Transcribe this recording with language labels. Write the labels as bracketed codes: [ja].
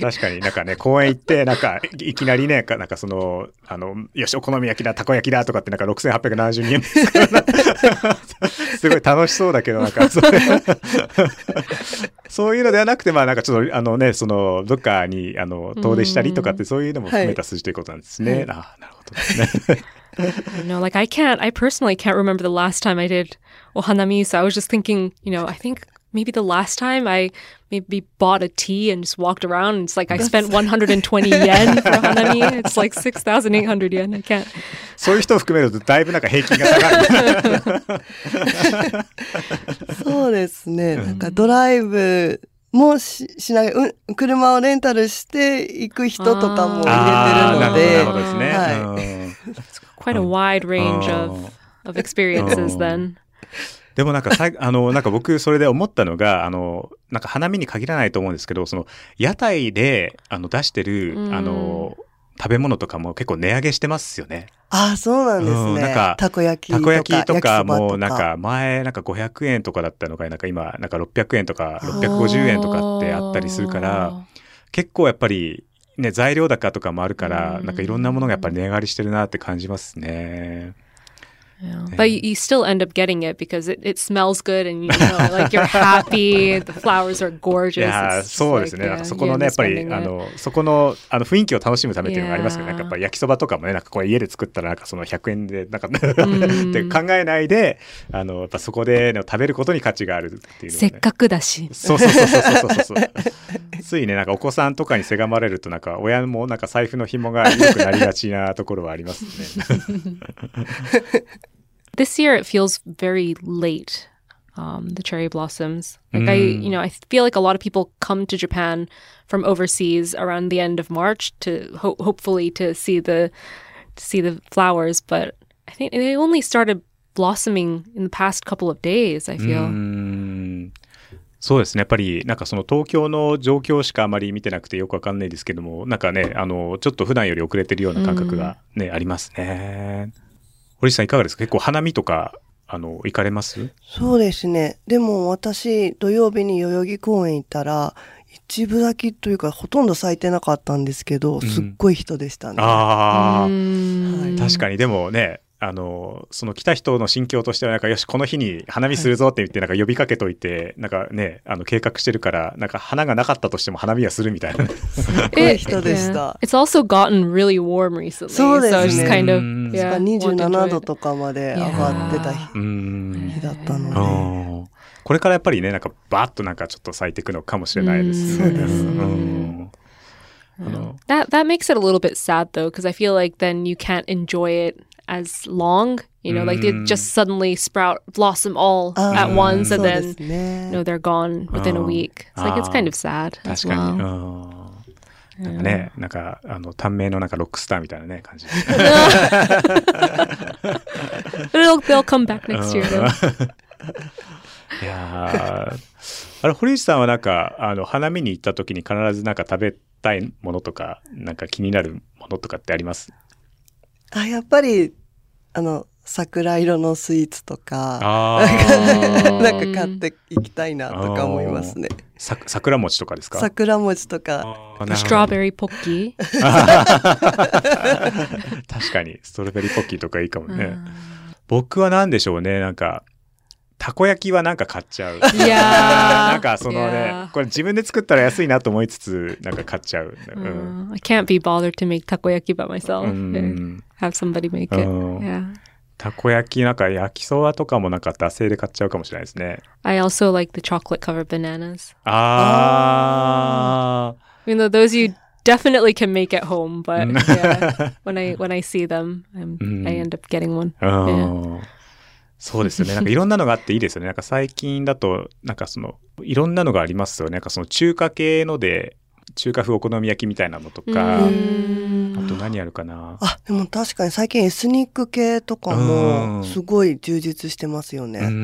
[ja] 確かになんかね、公園行って、なんか、いきなりね、なんかその、よし、お好み焼きだ、たこ焼きだとかって、なんか6872円ですから。すごい楽しそうだけど、なんか、それ。そういうのではなくて、まあ、なんかちょっと、どっかに、遠出したりとかって、そういうのも含めた数字ということなんですね。はい、あ、なるほどですね。 [en] No, like I personally can't remember the last time I did ohanami. So I was just thinking, I think maybe the last time I maybe bought a tea and just walked around. It's like I spent 120 yen for ohanami. It's like 6,800 yen. I can't. [ja] そういう人を含めるとだいぶなんか平均が高い。そうですね。なんかドライブもしない、車をレンタルして行く人とかも入れてるので。なるほどですね。はい。 [en] Quite a wide range of experiences then. [ja] でもなんか、なんか僕それで思ったのが、なんか花見に限らないと思うんですけど、その屋台で出してる、食べ物とかも結構値上げしてますよね。あ、そうなんですね。なんかたこ焼きとかもなんか前なんか500円とかだったのが、なんか今なんか600円とか650円とかってあったりするから、結構やっぱりね、材料高とかもあるから、なんかいろんなものがやっぱり値上がりしてるなって感じますね。 [en] But you still end up getting it because it smells good and you know, like you're happy, the flowers are gorgeous. Yeah, [ja] そうですね。なんかそこのね、やっぱり、そこの、雰囲気を楽しむためっていうのがありますよね。なんかやっぱり焼きそばとかもね、なんかこう家で作ったらなんかその100円で、なんか、って考えないで、やっぱそこで、ね、食べることに価値があるっていうの、ね。せっかくだし。そうそうそうそうそう。ついね、なんかお子さんとかにせがまれると、なんか親もなんか財布の紐が良くなりがちなところはありますね。 [en] This year it feels very late, the cherry blossoms. Like I feel like a lot of people come to Japan from overseas around the end of March to hopefully to see the flowers, but I think they only started blossoming in the past couple of days, I feel. [ja] そうですね。やっぱりなんかその東京の状況しかあまり見てなくてよくわかんないですけども、なんかね、ちょっと普段より遅れてるような感覚がね、ありますね。堀さんいかがですか？結構花見とか行かれます？そうですね、でも私土曜日に代々木公園行ったら一部咲きというかほとんど咲いてなかったんですけど、うん、すっごい人でしたね。あ、はい、確かに。でもね、その来た人の心境としてはなんかよしこの日に花見するぞって言ってなんか呼びかけといて、はい、なんかね計画してるからなんか花がなかったとしても花見はするみたいな。すごい人でした。 [en] It's also gotten really warm recently. [ja] そうですね。 [en] So kind of, yeah, [ja] 27度とかまで上がってた日だったので、ね、これからやっぱりねなんかバッとなんかちょっと咲いていくのかもしれないですね。そうです。うん。 [en] That makes it a little bit sad though, because I feel like then you can't enjoy it. As long, you know, like they just suddenly sprout, blossom all at once, and then, you know, they're gone within a week. It's like, it's kind of sad as well. [ja] 確かに。なんかね、なんか、短命のなんかロックスターみたいなね、感じ。 [en] They'll come back next year, though. [ja] いやあれ、堀内さんはなんか、花見に行った時に必ずなんか食べたいものとか、なんか気になるものとかってあります？あ、やっぱり、桜色のスイーツとか、あなんか買っていきたいなとか思いますね。桜餅とかですか？桜餅とか。ストロベリーポッキー確かに、ストロベリーポッキーとかいいかもね。僕は何でしょうね、なんか。たこ焼きはなんか買っちゃう。いやなんかそのね、これ自分で作ったら安いなと思いつつ、なんか買っちゃう。うん。 [en] I can't be bothered to make たこ焼き by myself. Have somebody make it. [ja] たこ焼き、なんか焼きそばとかもなんか惰性で買っちゃうかもしれないですね。 [en] I also like the chocolate covered bananas. あー。 You know, those you definitely can make at home, but yeah, when I see them, I end up getting one. Yeah. [ja] そうですね。なんかいろんなのがあっていいですよね。なんか最近だと、なんかその、いろんなのがありますよね。なんかその中華系ので、中華風お好み焼きみたいなのとか、あと何あるかな。あ、でも確かに最近エスニック系とかも、すごい充実してますよね。